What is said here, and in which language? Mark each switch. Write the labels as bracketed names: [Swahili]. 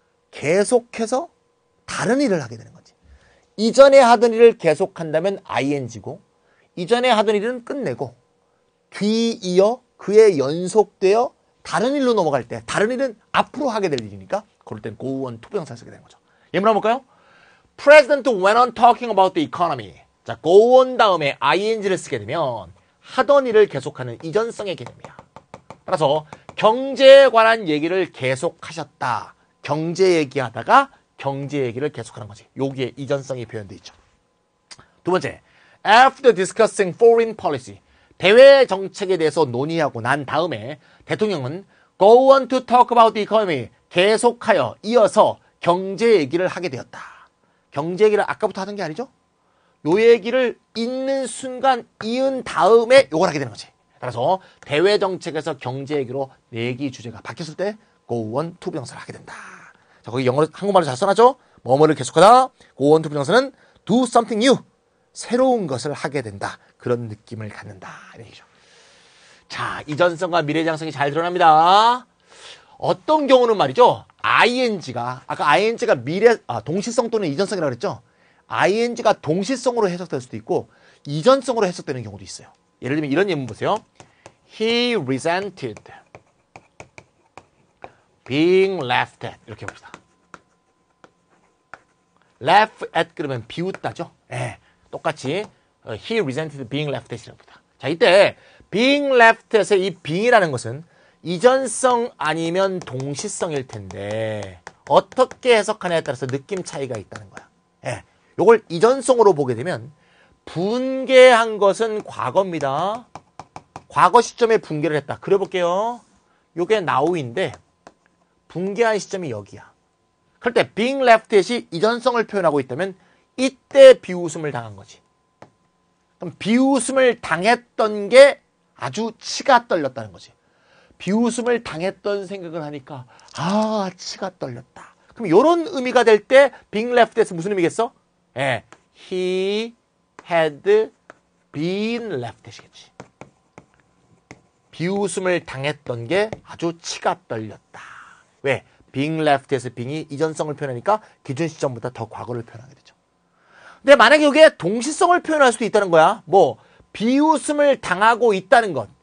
[Korean] 계속해서 다른 일을 하게 되는 거지. 이전에 하던 일을 계속한다면 ing고 이전에 하던 일은 끝내고 뒤이어 그에 연속되어 다른 일로 넘어갈 때 다른 일은 앞으로 하게 될 일이니까 그럴 땐 go on 투부정사 쓰게 되는 거죠. 예문 한번 볼까요? [English] President went on talking about the economy. [Korean] 자, go on 다음에 ing를 쓰게 되면 하던 일을 계속하는 이전성의 개념이야. 따라서 경제에 관한 얘기를 계속하셨다. 경제 얘기하다가 경제 얘기를 계속하는 거지. 여기에 이전성이 표현되어 있죠. 두 번째, [English] after discussing foreign policy, [Korean] 대외 정책에 대해서 논의하고 난 다음에 대통령은 [English] go on to talk about the economy, [Korean] 계속하여 이어서 경제 얘기를 하게 되었다. 경제 얘기를 아까부터 하던 게 아니죠? 요 얘기를 읽는 순간 이은 다음에 요걸 하게 되는 거지. 따라서 대외 정책에서 경제 얘기로 얘기 주제가 바뀌었을 때 go on 투부정사를 하게 된다. 자, 거기 영어로 한국말로 잘 써놨죠? 뭐뭐를 계속하다. [English] go on [Korean] 투부정사는 [English] do something new. [Korean] 새로운 것을 하게 된다. 그런 느낌을 갖는다. 이런 얘기죠. 자, 이전성과 미래지향성이 잘 드러납니다. 어떤 경우는 말이죠. ing가, 아까 ing가 미래, 동시성 또는 이전성이라고 그랬죠? ing가 동시성으로 해석될 수도 있고, 이전성으로 해석되는 경우도 있어요. 예를 들면 이런 예문 보세요. [English] He resented being laughed at. [Korean] 이렇게 해봅시다. laugh at 그러면 비웃다죠? 예. 네. 똑같이 [English] he resented being laughed at [Korean] 이라고 합니다. 자, 이때 being laughed at의 이 being이라는 것은 이전성 아니면 동시성일 텐데 어떻게 해석하냐에 따라서 느낌 차이가 있다는 거야. 예, 요걸 이전성으로 보게 되면 붕괴한 것은 과거입니다. 과거 시점에 붕괴를 했다. 그려볼게요. 요게 now인데 붕괴한 시점이 여기야. 그럴 때 being laughed at이 이전성을 표현하고 있다면 이때 비웃음을 당한 거지. 그럼 비웃음을 당했던 게 아주 치가 떨렸다는 거지. 비웃음을 당했던 생각을 하니까 아, 치가 떨렸다. 그럼 이런 의미가 될 때 being laughed at은 무슨 의미겠어? 예, [English] he had been laughed at이겠지. [Korean] 비웃음을 당했던 게 아주 치가 떨렸다. 왜? being laughed at의 being이 이전성을 표현하니까 기준 시점보다 더 과거를 표현하게 되죠. 근데 만약에 이게 동시성을 표현할 수도 있다는 거야. 뭐 비웃음을 당하고 있다는 것.